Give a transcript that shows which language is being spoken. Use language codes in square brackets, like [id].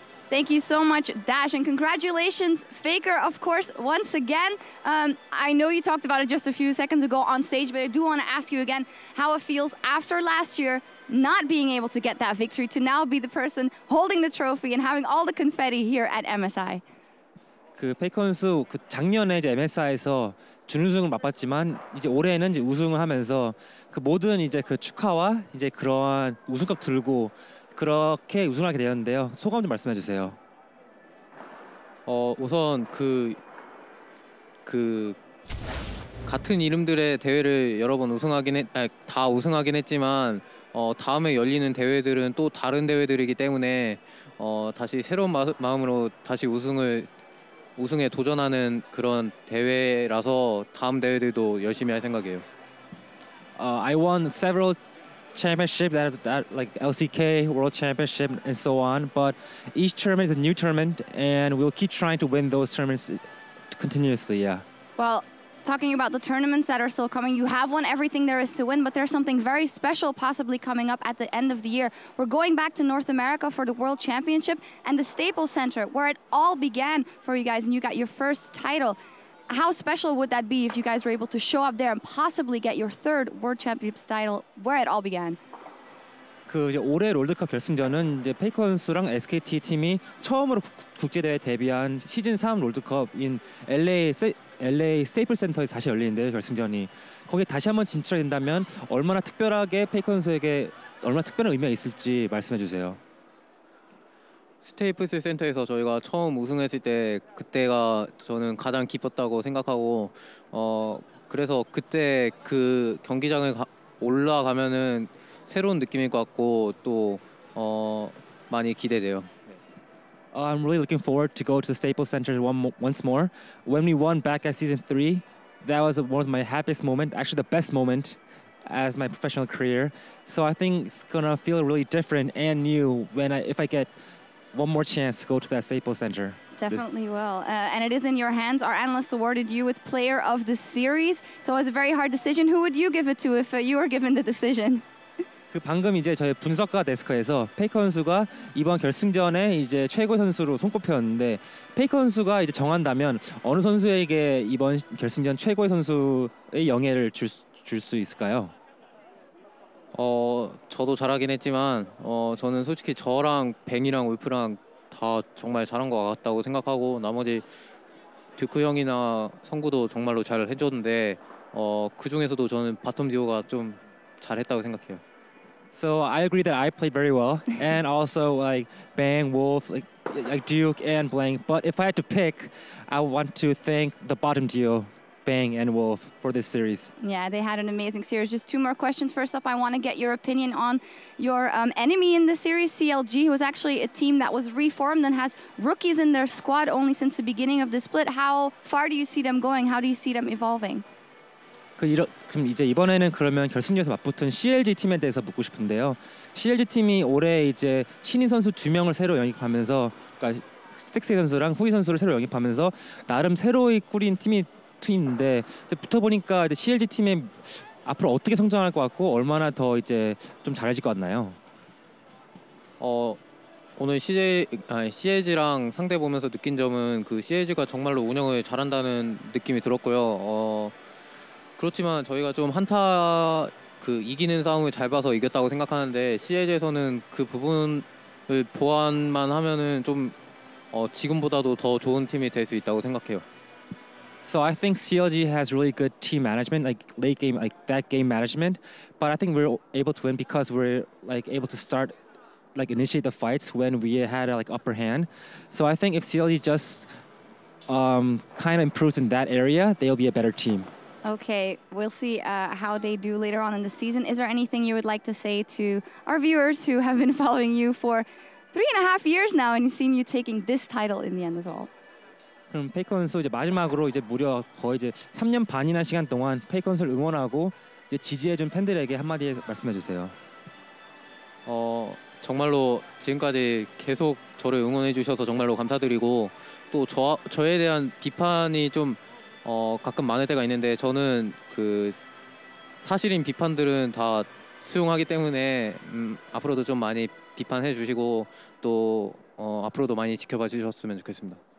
[en] Thank you so much, Dash, and congratulations, Faker, of course, once again. I know you talked about it just a few seconds ago on stage, but I do want to ask you again how it feels after last year not being able to get that victory to now be the person holding the trophy and having all the confetti here at MSI. [ko] 그 페이커 선수 그 작년에 이제 MSI에서 준우승을 맛봤지만 이제 올해는 이제 우승을 하면서 그 모든 이제 그 축하와 이제 그러한 우승컵 들고 그렇게 우승하게 되었는데요. 소감 좀 말씀해 주세요. 우선 그 그 같은 이름들의 대회를 여러 번 우승하긴 했, 아니, 다 우승하긴 했지만 다음에 열리는 대회들은 또 다른 대회들이기 때문에 다시 새로운 마음으로 다시 우승에 도전하는 그런 대회라서 다음 대회들도 열심히 할 생각이에요. [en] I won several championships that like LCK World Championship and so on, but each tournament is a new tournament and we'll keep trying to win those tournaments continuously, yeah. Well, talking about the tournaments that are still coming, you have won everything there is to win, but there's something very special possibly coming up at the end of the year. We're going back to North America for the World Championship and the Staples Center, where it all began for you guys, and you got your first title. How special would that be if you guys were able to show up there and possibly get your third World Championship title, where it all began? [ko] 그 이제 올해 롤드컵 결승전은 이제 페이커 선수랑 SKT 팀이 처음으로 국제대회 데뷔한 시즌 3 롤드컵인 LA 스테이플 센터에서 다시 열리는데요, 결승전이. 거기에 다시 한번 진출하게 된다면 얼마나 특별하게 페이커 선수에게 얼마나 특별한 의미가 있을지 말씀해 주세요. 스테이플스 센터에서 저희가 처음 우승했을 때 그때가 저는 가장 기뻤다고 생각하고 그래서 그때 그 경기장을 올라가면은 새로운 느낌일 것 같고 또 많이 기대돼요. [en] I'm really looking forward to go to the Staples Center once more. When we won back at season 3, that was one of my happiest moment, actually the best moment as my professional career. So I think it's gonna feel really different and new if I get one more chance to go to that Staples Center. Definitely will. And it is in your hands. Our analysts awarded you with Player of the Series. So it was a very hard decision. Who would you give it to if you were given the decision? [ko] 그 방금 이제 저희 분석가 데스크에서 페이커 선수가 이번 결승전에 이제 최고 선수로 손꼽혔는데 페이커 선수가 이제 정한다면 어느 선수에게 이번 결승전 최고의 선수의 영예를 줄 수 있을까요? 저도 잘하긴 했지만 저는 솔직히 저랑 뱅이랑 울프랑 다 정말 잘한 것 같다고 생각하고 나머지 듀크 형이나 성구도 정말로 잘 해줬는데 그 중에서도 저는 바텀 디오가 좀 잘했다고 생각해요. [en] So I agree that I played very well, and also like Bang, Wolf, like Duke, and Blank. But if I had to pick, I want to thank the bottom duo, Bang and Wolf, for this series. Yeah, they had an amazing series. Just two more questions. First up, I want to get your opinion on your enemy in the series, CLG, who is actually a team that was reformed and has rookies in their squad only since the beginning of the split. How far do you see them going? How do you see them evolving? [ko] 그럼 이제 이번에는 그러면 결승전에서 맞붙은 CLG 팀에 대해서 묻고 싶은데요. CLG 팀이 올해 이제 신인 선수 두 명을 새로 영입하면서, 그러니까 스택스 선수랑 후이 선수를 새로 영입하면서 나름 새로이 꾸린 팀인데 이제 붙어보니까 이제 CLG 팀이 앞으로 어떻게 성장할 것 같고 얼마나 더 이제 좀 잘해질 것 같나요? 오늘 CLG랑 상대 보면서 느낀 점은 그 CLG가 정말로 운영을 잘한다는 느낌이 들었고요. 그렇지만 저희가 좀 한타 그 이기는 싸움을 잘 봐서 이겼다고 생각하는데 CLG에서는 그 부분을 보완만 하면은 좀 지금보다도 더 좋은 팀이 될 수 있다고 생각해요. [en] So I think CLG has really good team management, like late game, like that game management. But I think we're able to win because we're like able to start, like initiate the fights when we had a, like upper hand. So I think if CLG just kind of improves in that area, they'll be a better team. Okay, we'll see how they do later on in the season. Is there anything you would like to say to our viewers who have been following you for 3.5 years now and seen you taking this title in the end as well? [ko] 그럼 페이커 선수 이제 마지막으로 이제 무려 거의 이제 3년 반이나 시간 동안 페이커 선수를 응원하고 이제 지지해준 팬들에게 한마디 말씀해 주세요. 정말로 지금까지 계속 저를 응원해 주셔서 정말로 감사드리고 또 저에 대한 비판이 좀 가끔 많을 때가 있는데 저는 그 사실인 비판들은 다 수용하기 때문에 앞으로도 좀 많이 비판해 주시고 또 앞으로도 많이 지켜봐 주셨으면 좋겠습니다.